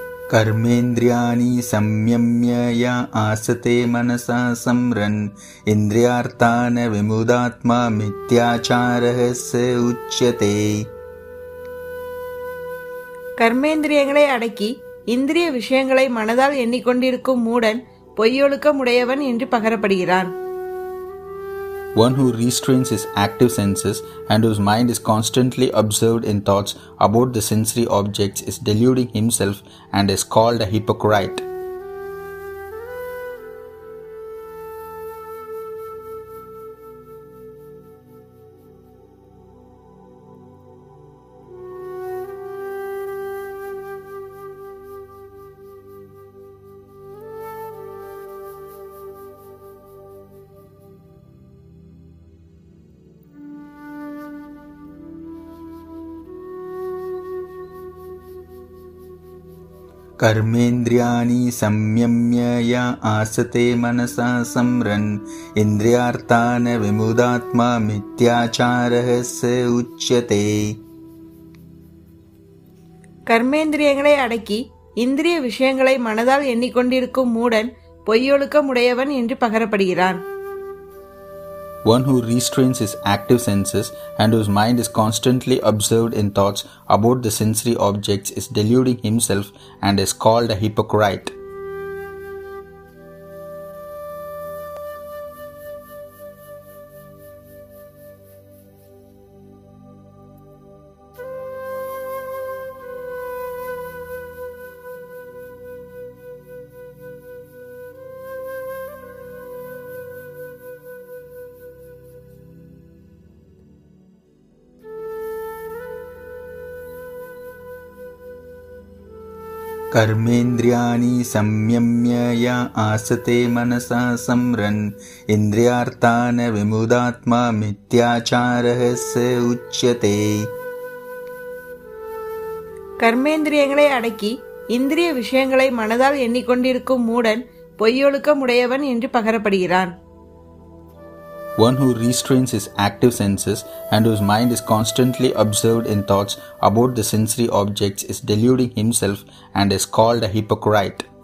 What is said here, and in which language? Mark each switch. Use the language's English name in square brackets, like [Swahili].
[Sanskrit] கர்மேந்திரியாணி சம்யம்யயா ஆசதே மனசா சம்ரன் இந்திரியார்த்தான விமுதாத்மா மித்யாச்சாரஸ உச்யதே. [Tamil] கர்மேந்திரியங்களை அடக்கி இந்திரிய விஷயங்களை மனதால் எண்ணிக்கொண்டிருக்கும் மூடன் பொய்யொழுக்கமுடையவன் என்று பகரப்படுகிறான். [English] One who restrains his active senses and whose mind is constantly absorbed in thoughts about the sensory objects is deluding himself and is called a hypocrite. [Sanskrit] கர்மேந்திரியாணி சம்யம்யயா ஆசதே மனசா சம்ரன் இந்திரியார்த்தான விமுதாத்மா மித்யாச்சாரஸ உச்யதே. [Tamil] கர்மேந்திரியங்களை அடக்கி இந்திரிய விஷயங்களை மனதால் எண்ணிக்கொண்டிருக்கும் மூடன் பொய்யொழுக்கமுடையவன் என்று பகரப்படுகிறான். [English] One who restrains his active senses and whose mind is constantly absorbed in thoughts about the sensory objects is deluding himself and is called a hypocrite. [Sanskrit] கர்மேந்திரியாணி சம்யம்யயா ஆசதே மனசா சம்ரன் இந்திரியார்த்தான விமுதாத்மா மித்யாச்சாரஸ உச்யதே. [Tamil] கர்மேந்திரியங்களை அடக்கி இந்திரிய விஷயங்களை மனதால் எண்ணிக்கொண்டிருக்கும் மூடன் பொய்யொழுக்கமுடையவன் என்று பகரப்படுகிறான். [English] One who restrains his active senses and whose mind is constantly absorbed in thoughts about the sensory objects is deluding himself and is called a hypocrite.